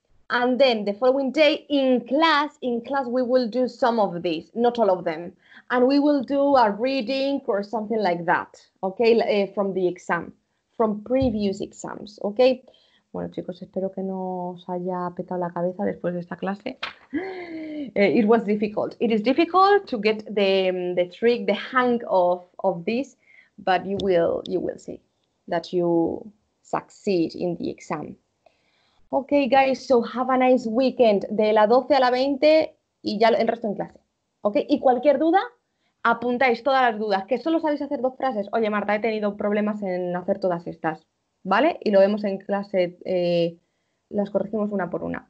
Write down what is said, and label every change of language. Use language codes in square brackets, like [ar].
[en] And then the following day in class, we will do some of these, not all of them. And we will do a reading or something like that, okay, from the exam, from previous exams, okay? [es] Bueno, chicos, espero que no os haya petado la cabeza después de esta clase. [en] It was difficult. It is difficult to get the trick, the hang of this, but you will see that you succeed in the exam. Okay, guys, so have a nice weekend. [es] De la 12 a la 20 y ya el resto en clase. Okay, y cualquier duda, apuntáis todas las dudas, que solo sabéis hacer dos frases. Oye, Marta, he tenido problemas en hacer todas estas. ¿Vale? Y lo vemos en clase, las corregimos una por una.